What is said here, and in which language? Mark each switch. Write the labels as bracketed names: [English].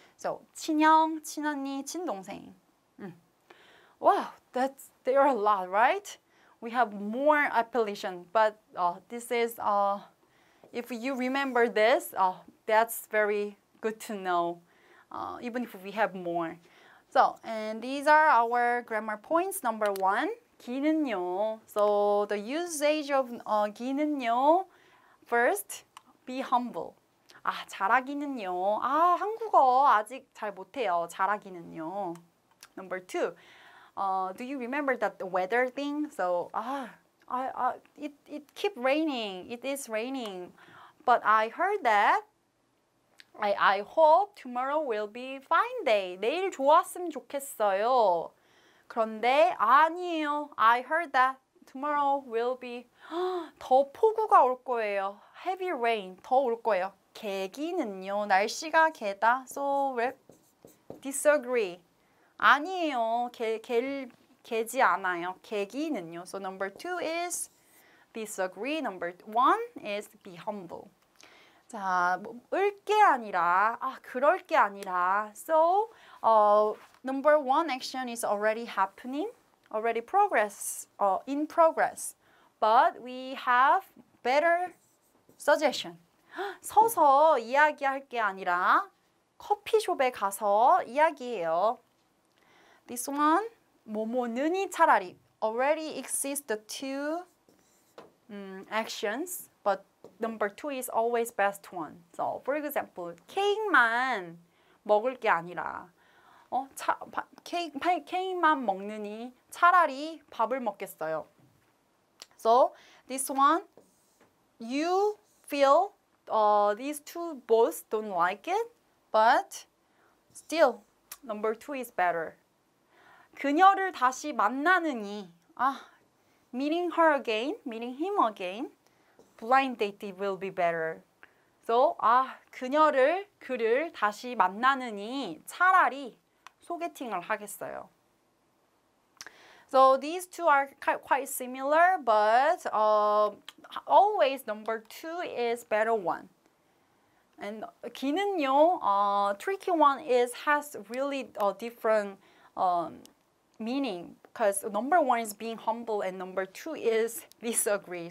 [Korean] So 친형, 친언니, 친동생. [English] Wow, there are a lot, right? We have more appellation, but this is, if you remember this, that's very good to know, even if we have more. So, and these are our grammar points. Number one, 기는요. So the usage of 기는요, first, be humble. [Korean] 아, 잘하기는요. 아, 한국어 아직 잘 못해요. 잘하기는요. [English] Number two. Do you remember that the weather thing? So, it keep raining. It is raining. But I heard that I hope tomorrow will be fine day. [Korean] 내일 좋았으면 좋겠어요. 그런데 아니에요. [English] I heard that tomorrow will be [Korean] 더 폭우가 올 거예요. [English] Heavy rain. [Korean] 더 올 거예요. 개기는요. 날씨가 개다. [English] So, disagree. [Korean] 아니에요. 개지 않아요. 개기는요. [English] So number two is disagree. Number one is be humble. [Korean] 자, 을 게 아니라, 아, 그럴 게 아니라. [English] So number one action is already happening. Already progress, in progress. But we have better suggestion. [Korean] 서서 이야기할 게 아니라 커피숍에 가서 이야기해요. [English] This one, [Korean] 뭐뭐는 차라리. [English] Already exist the two actions, but number two is always best one. So, for example, [Korean] 케이크만 먹을 게 아니라 케이크만 먹느니 차라리 밥을 먹겠어요. [English] So, this one, you feel these two both don't like it, but still, number two is better. [Korean] 그녀를 다시 만나느니, [English] 아, meeting her again, meeting him again, blind date will be better. [Korean] So, 아, 그를 다시 만나느니 차라리 소개팅을 하겠어요. [English] So these two are quite similar, but always number two is better one. And 기는요, tricky one is has really a different meaning because number one is being humble and number two is disagree.